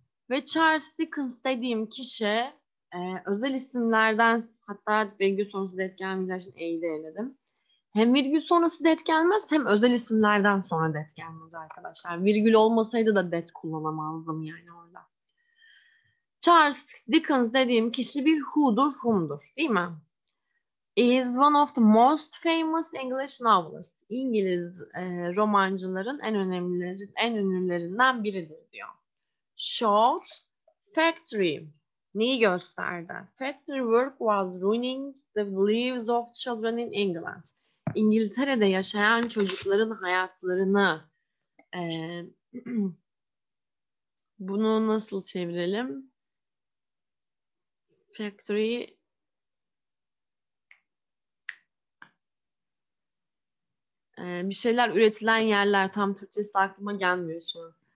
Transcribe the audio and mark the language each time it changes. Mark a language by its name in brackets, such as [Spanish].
[Turkish] Ve Charles Dickens dediğim kişi özel isimlerden, hatta virgül sonrası det gelmeyeceği için E'yi de eledim. Hem virgül sonrası det gelmez hem özel isimlerden sonra det gelmez arkadaşlar. Virgül olmasaydı da det kullanamazdım yani orada. Charles Dickens dediğim kişi bir who'dur, whom'dur değil mi? [English] Is one of the most famous English novelists. [Turkish] İngiliz romancıların en ünlülerinden biridir diyor. [English] Showed factory. [Turkish] Neyi gösterdi? [English] Factory work was ruining the lives of children in England. [Turkish] İngiltere'de yaşayan çocukların hayatlarını bunu nasıl çevirelim? Factory bir şeyler üretilen yerler tam Türkçesi aklıma gelmiyor şu an.